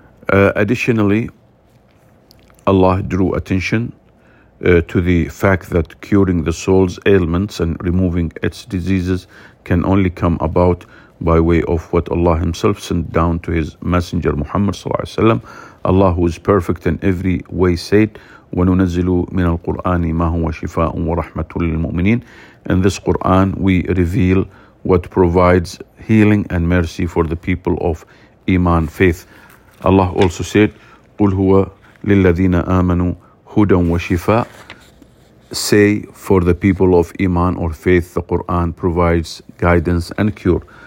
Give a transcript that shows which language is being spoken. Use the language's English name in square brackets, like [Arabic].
[English] Additionally, Allah drew attention to the fact that curing the soul's ailments and removing its diseases can only come about by way of what Allah himself sent down to his messenger Muhammad sallallahu alaihi wasallam. Allah, who is perfect in every way, said, [Arabic] وننزل من القرآن ما هو شفاء ورحمة للمؤمنين. [English] In this Quran, we reveal what provides healing and mercy for the people of Iman, faith. Allah also said, [Arabic] قُلْ هُوَ لِلَّذِينَ آمَنُوا هُدًى وَشِفَاءٌ. [English] Say, for the people of Iman or faith, the Quran provides guidance and cure.